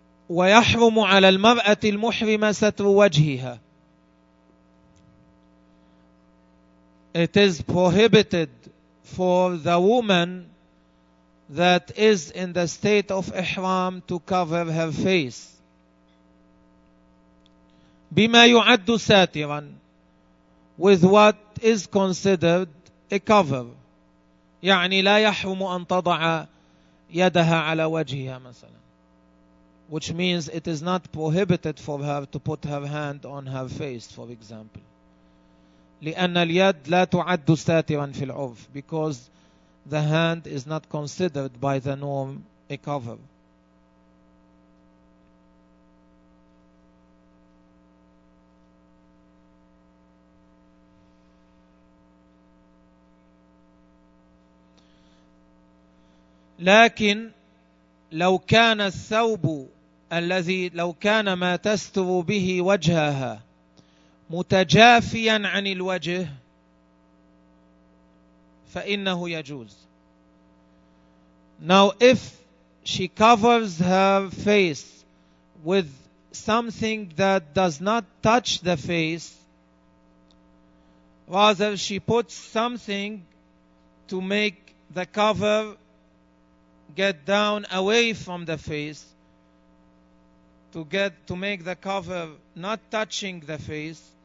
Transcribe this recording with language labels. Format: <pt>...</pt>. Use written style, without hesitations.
<ar>ويحرم على المرأة المحرمة ستر وجهها.</ar> <en>It is prohibited for the woman that is in the state of ihram to cover her face.</en> <ar>بما يعد ساترا,</ar> <en>with what is considered a cover.</en> <ar>يعني لا يحرم أن تضع يدها على وجهها مثلا.</ar> <en>Which means it is not prohibited for her to put her hand on her face, for example.</en> <ar>لِأَنَّ الْيَدْ لَا تُعَدُّ سَاتِرًا فِي الْعُرْفِ.</ar> <en>Because the hand is not considered by the norm a cover.</en> <ar>لكن لو كان الثوب الذي لو كان ما تستر به وجهها متجافيا عن الوجه فإنه يجوز.</ar> <en>Now if she covers her face with something that does not touch the face, rather she puts something to make the cover get down away from the face, to make the cover not touching the face,</en>